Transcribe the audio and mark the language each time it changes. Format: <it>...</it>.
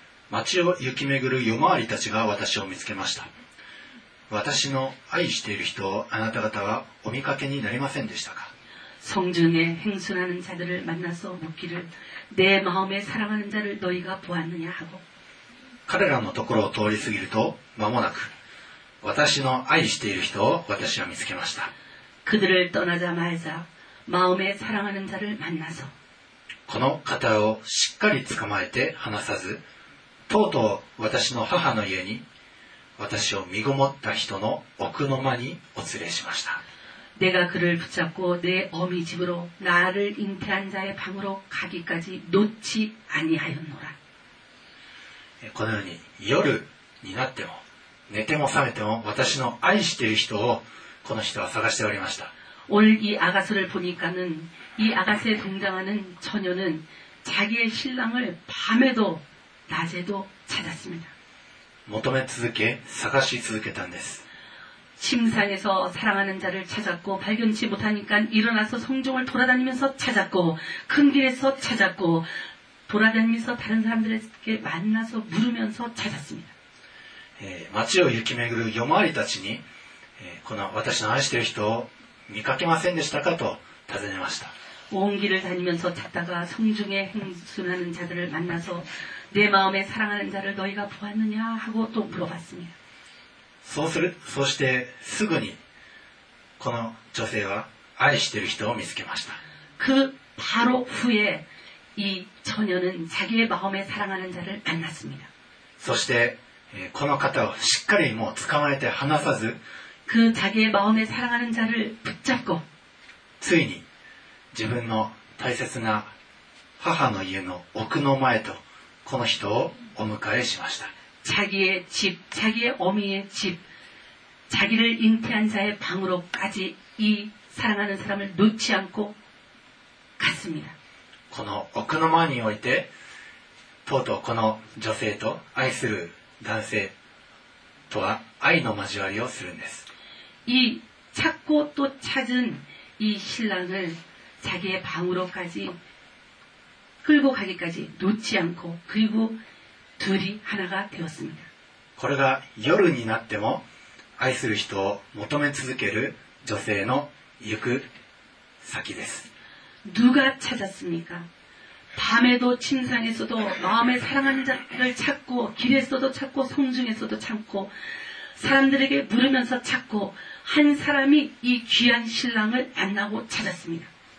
<ja>町を行き巡る夜回りたちが私を見つけました。私の愛している人をあなた方はお見かけになりませんでしたか。</ja> <ko>성중에행순하는자들을만나서묻기를내마음에사랑하는자를너희가보았느냐하고</ko> <ja>彼らのところを通り過ぎると間もなく私の愛している人を私は見つけました。</ja> <ko>그들을떠나자마자마음에사랑하는자를만나서</ko> <ja>この方をしっかり捕まえて離さずとうとう私の母の家に私を身ごもった人の奥の間にお連れしました。</ja> <ko>내가그를붙잡고내어미집으로나를잉태한자의방으로가기까지놓지아니하였노라</ko> <ja>このように夜になっても寝ても覚めても私の愛している人をこの人は探しておりました。</ja> <ko>오늘이아가서를보니까는이아가서에등장하는처녀는 자기의신랑을밤에도낮에도찾았습니다</ko> <ja>求め続け探し続けたんです</ja> <ko>침상에서사랑하는자를찾았고발견치못하니까일어나서성종을돌아다니면서찾았고큰길에서찾았고돌아다니면서다른사람들에게만나서물으면서찾았습니다</ko> <ja>町を行き巡る夜回りたちに、この私の愛している人を見かけませんでしたかと尋ねました。</ja> <ko>온길을다니면서찾다가성중에행순하는자들을만나서내마음에사랑하는자를너희가보았느냐하고또물어봤습니다</ko> <ja>そしてすぐにこの女性は愛している人を見つけました</ja> <ko>그바로후에이처녀는자기의마음에사랑하는자를만났습니다</ko> <ja>そしてこの方をしっかりもう捕まえて離さず</ja> <ko>그자기의마음에사랑하는자를붙잡고</ko> <ja>ついに自分の大切な母の家の奥の前とこの人をお迎えしました</ja> <ko>자기의집자기의어미의집자기를잉태한자의방으로까지이사랑하는사람을놓지않고갔습니다</ko> <ja>この奥の前においてとうとうこの女性と愛する男性とは愛の交わりをするんです</ja> <ko>이찾고또찾은이신랑을자기의방으로까지끌고가기까지놓지않고그리고둘이하나가되었습니다</ko> <ja>これが夜になっても愛する人を求め続ける女性の行く先です</ja> <ko>누가찾았습니까밤에도침상에서도마음에사랑하는자를찾고길에서도찾고성중에서도찾고사람들에게물으면서찾고한사람이이귀한신랑을만나고찾았습니다</ko>